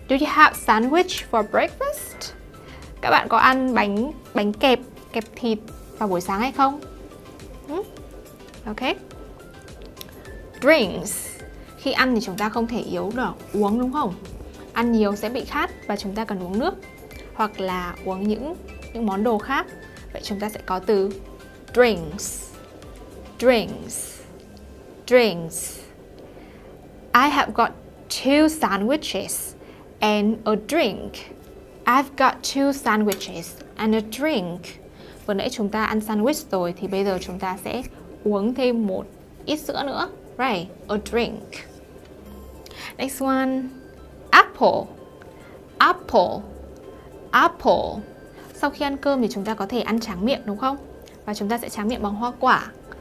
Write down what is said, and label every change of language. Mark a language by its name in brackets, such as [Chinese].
[English] Do you have sandwich for breakfast? [Vietnamese] Các bạn có ăn bánh kẹp, kẹp thịt vào buổi sáng hay không? [English] Okay. Drinks. [Vietnamese] Khi ăn thì chúng ta không thể yếu được, uống đúng không? Ăn nhiều sẽ bị khát và chúng ta cần uống nước hoặc là uống những món đồ khác. Vậy chúng ta sẽ có từ drinks. [English] Drinks. Drinks. I have got two sandwiches and a drink. I've got two sandwiches and a drink. [Vietnamese] Vừa nãy chúng ta ăn sandwich rồi thì bây giờ chúng ta sẽ uống thêm một ít sữa nữa. [English] Right, a drink. Next one, apple. Apple. Apple. [Vietnamese] Sau khi ăn cơm thì chúng ta có thể ăn tráng miệng đúng không? Và chúng ta sẽ tráng miệng bằng hoa quả.